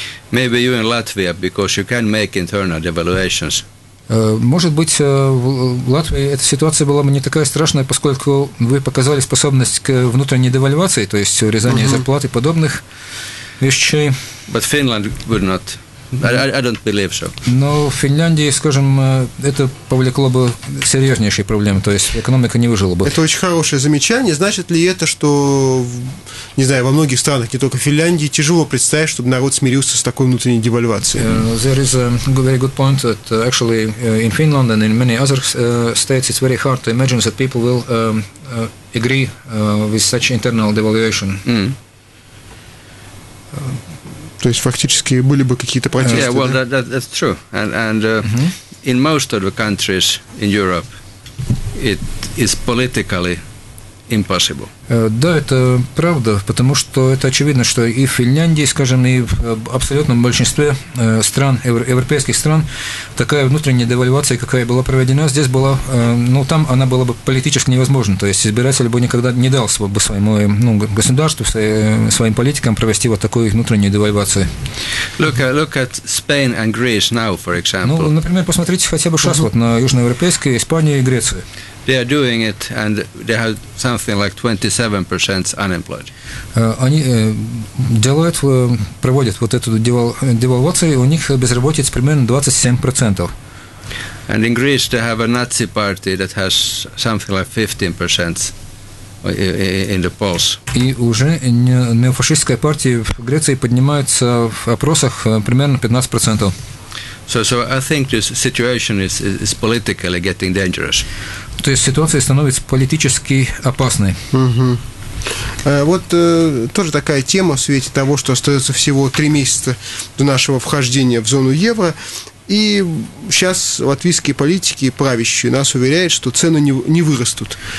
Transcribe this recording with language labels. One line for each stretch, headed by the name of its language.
English: Maybe you in Latvia, because you can make internal devaluations.
Russian: Может быть, в Латвии эта ситуация была бы не такая страшная, поскольку вы показали способность к внутренней девальвации, то есть урезание зарплат и подобных вещей.
English: But Finland would not. I don't believe so.
Russian: Но в Финляндии, скажем, это повлекло бы серьезнейшие проблемы, то есть экономика не выжила бы. Это очень хорошее замечание. Значит ли это, что, не знаю, во многих странах, не только в Финляндии, тяжело представить, чтобы народ смирился с такой внутренней девальвацией?
English: There is a very good point that actually in Finland and in many other states it's very hard to imagine that people will agree with such internal devaluation. Mm.
Russian: То есть фактически были бы какие-то протесты.
English: Yeah, well, that's true. And in most of the countries in Europe, it is politically impossible.
Russian: Да, это правда, потому что это очевидно, что и в Финляндии, скажем, и в абсолютном большинстве стран, европейских стран, такая внутренняя девальвация, какая была проведена, здесь была, ну, там она была бы политически невозможна, то есть избиратель бы никогда не дал бы своему, ну, государству, своим политикам провести вот такую внутреннюю девальвацию.
English: Look at Spain and Greece now, for example.
Russian: Ну, например, посмотрите хотя бы сейчас вот на южноевропейскую Испанию и Грецию.
English: They are doing it, and they have something like 27% unemployed.
Russian: Они делают, проводят вот эту девальвацию, у них безработица примерно 27%.
English: And in Greece they have a Nazi party that has something like 15% in the polls.
Russian: И уже неофашистская партия в Греции поднимается в опросах примерно 15%.
English: So I think this situation is politically getting dangerous.
Russian: То есть ситуация становится политически опасной. Вот тоже такая тема в свете того, что остается всего 3 месяца до нашего вхождения в зону евро. И сейчас латвийские политики, правящие, нас уверяют, что цены не вырастут.